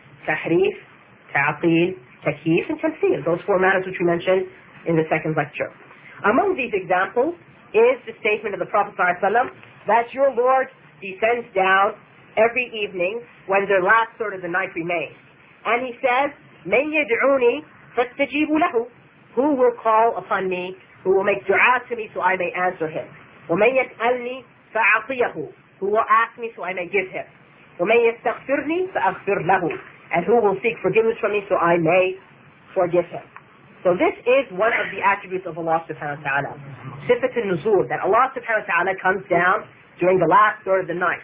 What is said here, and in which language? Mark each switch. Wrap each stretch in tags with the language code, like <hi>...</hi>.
<en>Tahrif, ta'aqeel, takyif, and tamthil, those four matters which we mentioned in the second lecture. Among these examples is the statement of the Prophet ﷺ that your Lord descends down every evening when the last third of the night remains. And he says,</en> <ar>مَنْ يَدْعُونِي فَاسْتَجِيبُ لَهُ.</ar> <en>Who will call upon me, who will make dua to me so I may answer him?</en> <ar>وَمَنْ يَسْأَلْنِي فَأَعْطِيَهُ.</ar> <en>Who will ask me so I may give him?</en> <ar>وَمَنْ يَسْتَغْفِرْنِي فَأَغْفِرْ لَهُ.</ar> <en>And who will seek forgiveness from me so I may forgive him? So this is one of the attributes of Allah subhanahu wa ta'ala. Sifat al-Nuzul, that Allah subhanahu wa ta'ala comes down during the last third of the night.</en>